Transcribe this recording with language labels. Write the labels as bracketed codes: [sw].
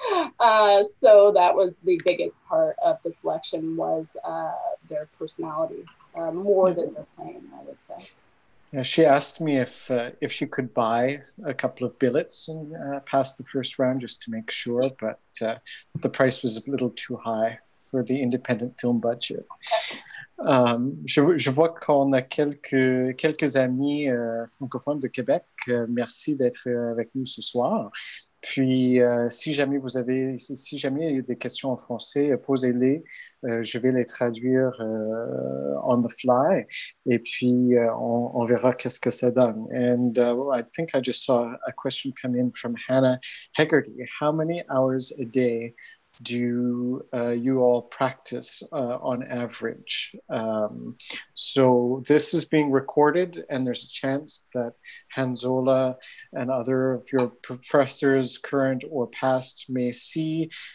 [en] So that was the biggest part of the selection, was their personality, more than their playing, I would say. Yeah, she asked me if she could buy a couple of billets and pass the first round just to make sure, but the price was a little too high for the independent film budget. [fr] Je vois qu'on a quelques amis francophones de Québec. Merci d'être avec nous ce soir. Puis, si jamais il y a des questions en français, posez-les. Je vais les traduire [en] on the fly. [fr] Et puis, on verra qu'est-ce que ça donne. [en] And I think I just saw a question come in from Hannah Hegarty. How many hours a day do you all practice on average? So this is being recorded, and there's a chance that Hanzola and other of your professors, current or past, may see.